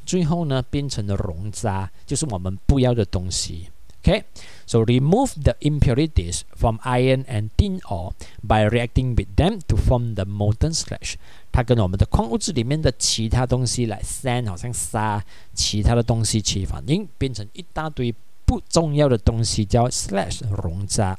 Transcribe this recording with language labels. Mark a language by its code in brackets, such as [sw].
[zh] 最后呢变成了熔渣, 就是我们不要的东西. [en] Okay, so remove the impurities from iron and tin ore by reacting with them to form the molten slag. [zh] 它跟我们的矿物质里面的其他东西来 sand 好像沙其他的东西起反应, 变成一大堆不重要的东西, 叫 slash 溶渣.